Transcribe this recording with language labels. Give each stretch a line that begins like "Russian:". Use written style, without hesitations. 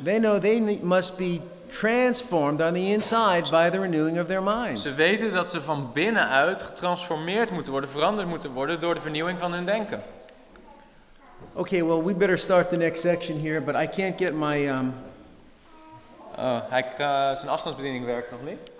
English: They know they must be transformed on the inside by the renewing of their minds.
Dutch: Ze weten dat ze van binnenuit getransformeerd moeten worden, veranderd moeten worden door de vernieuwing van hun denken.
English: Okay, well, we better start the next section here, but I can't get my
Dutch: zijn afstandsbediening werkt nog niet.